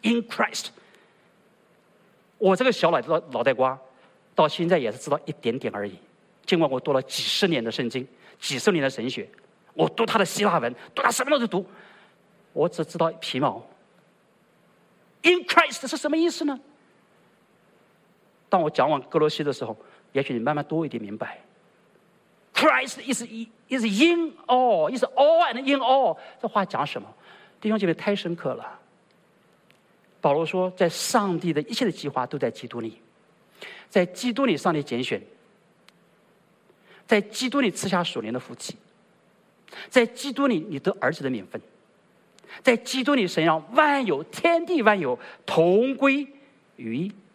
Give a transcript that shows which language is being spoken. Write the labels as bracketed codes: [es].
[zh] In Christ， 我这个小脑袋瓜到现在也是知道一点点而已，尽管我读了几十年的圣经，几十年的神学，我读他的希腊文，读他什么都读，我只知道皮毛。 In Christ 是什么意思呢？当我讲完哥罗西的时候，也许你慢慢多一点明白。 [en] Christ is in all， is all and in all， [zh] 这话讲什么？弟兄姐妹，太深刻了。保罗说，在上帝的一切的计划都在基督里，在基督里上帝拣选，在基督里赐下属灵的福气，在基督里你得儿子的名分，在基督里神让万有天地万有同归于一。